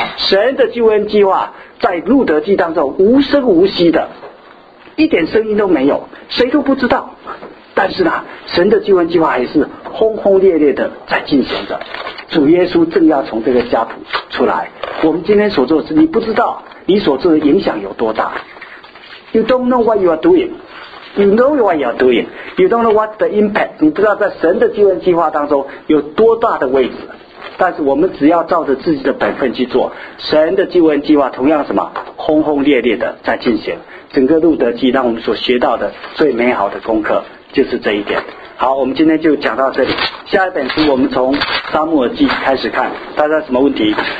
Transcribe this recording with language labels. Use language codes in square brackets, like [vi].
[zh] 神的救恩计划在路德记当中无声无息的，一点声音都没有，谁都不知道，但是呢，神的救恩计划还是轰轰烈烈的在进行着。主耶稣正要从这个家谱出来，我们今天所做的事，你不知道你所做的影响有多大。 [en] You don't know what you are doing. You know what you are doing. You don't know what the impact. [zh] 你不知道在神的救恩计划当中有多大的位置。但是我们只要照着自己的本分去做，神的救恩计划同样什么轰轰烈烈的在进行。整个路德记让我们所学到的最美好的功课就是这一点。好，我们今天就讲到这里。下一本书我们从撒母耳记开始看。大家什么问题？